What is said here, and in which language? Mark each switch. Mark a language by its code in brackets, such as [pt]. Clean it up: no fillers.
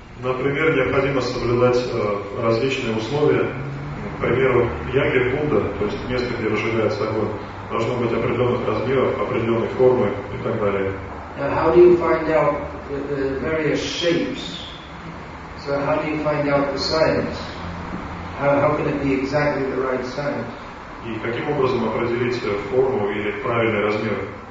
[ru] Например, необходимо соблюдать различные условия. К примеру, яги пунда, то есть место, где разжигается огонь, должно быть определенных размеров, определенной формы и так далее. [en] Now, how do you find out the various shapes? So how do you find out the science? How can it be exactly the right size? [ru] И каким образом определить форму или правильный размер?